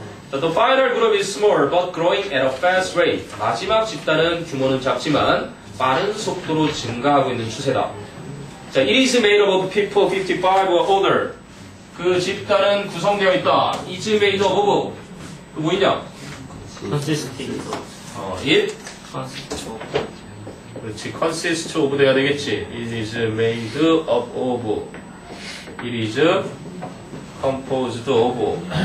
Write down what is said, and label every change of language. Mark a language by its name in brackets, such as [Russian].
[English] The final group is small but growing at a fast rate. [Korean] 마지막 집단은 규모는 작지만 빠른 속도로 증가하고 있는 추세다. [English] 자, it is made of people 55 or older. [Korean] 그 집단은 구성되어 있다. [English] It is made of [Korean] 그 뭐냐? [English] Consisting of. It? Consists of. [Korean] 그렇지. [English] Consists of [Korean] 돼야 되겠지. [English] It is made up of. It is composed of.